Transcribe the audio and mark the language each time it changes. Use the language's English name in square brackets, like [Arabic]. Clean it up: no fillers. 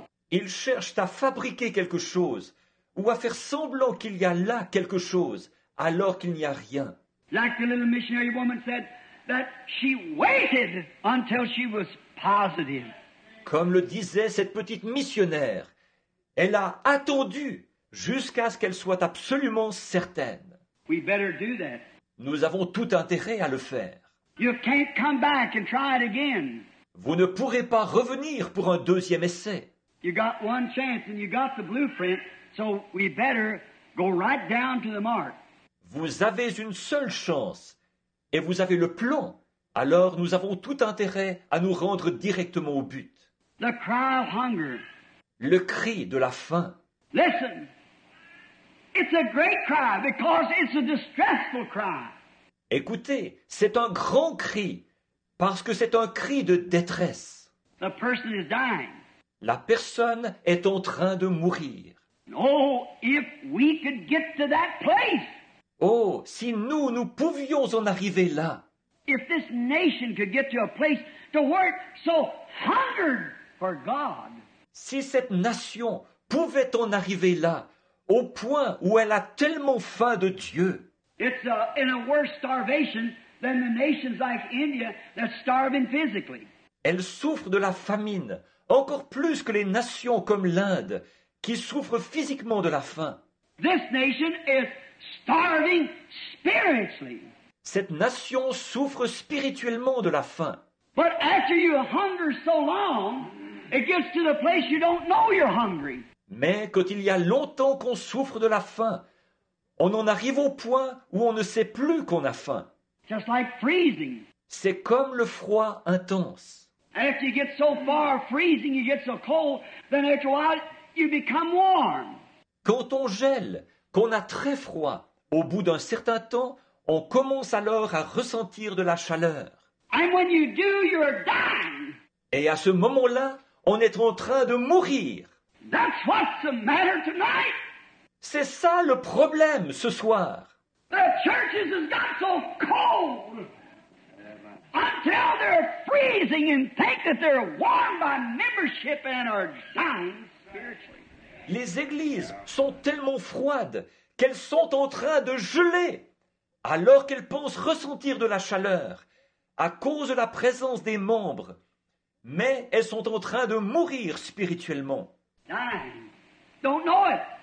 [French] Ils cherchent à fabriquer quelque chose ou à faire semblant qu'il y a là quelque chose alors qu'il n'y a rien. [English] Like the little missionary woman said that she waited until she was positive. [French] Comme le disait cette petite missionnaire, elle a attendu jusqu'à ce qu'elle soit absolument certaine. [English] We better do that. [French] Nous avons tout intérêt à le faire. [English] You can't come back and try it again. [French] Vous ne pourrez pas revenir pour un deuxième essai. [English] You got one chance and you got the blueprint, so we better go right down to the mark. [French] Vous avez une seule chance et vous avez le plan. Alors nous avons tout intérêt à nous rendre directement au but. [English] The cry of hunger. [French] Le cri de la faim. [English] Listen. It's a great cry because it's a distressful cry. [French] Écoutez, c'est un grand cri parce que c'est un cri de détresse. [English] The person is dying. [French] La personne est en train de mourir. [English] Oh, if we could get to that place. [French] Oh, si nous, nous pouvions en arriver là. [English] If this nation could get to a place to where it so hungered for God. [French] Si cette nation pouvait en arriver là, au point où elle a tellement faim de Dieu. [English] It's in a worse starvation than the nations like India that starving physically. [French] Elle souffre de la famine encore plus que les nations comme l'Inde qui souffrent physiquement de la faim. [English] This nation is starving spiritually. [French] Cette nation souffre spirituellement de la faim. [English] But after you hunger so long, it gets to the place you don't know you're hungry. [French] Mais quand il y a longtemps qu'on souffre de la faim, on en arrive au point où on ne sait plus qu'on a faim. [English] Just like freezing. [French] C'est comme le froid intense. [English] And if you get so far freezing, you get so cold, then after a while, you become warm. [French] Quand on gèle, qu'on a très froid, au bout d'un certain temps, on commence alors à ressentir de la chaleur. [English] And when you do, you're dying. [French] Et à ce moment-là, on est en train de mourir. [English] That's what's the matter tonight. [French] C'est ça le problème ce soir. [English] The churches have got so cold. Until they're freezing and think that they're warm by membership and are dying spiritually. [French] Les églises sont tellement froides qu'elles sont en train de geler alors qu'elles pensent ressentir de la chaleur à cause de la présence des membres, mais elles sont en train de mourir spirituellement. [English] Dying. Don't know it.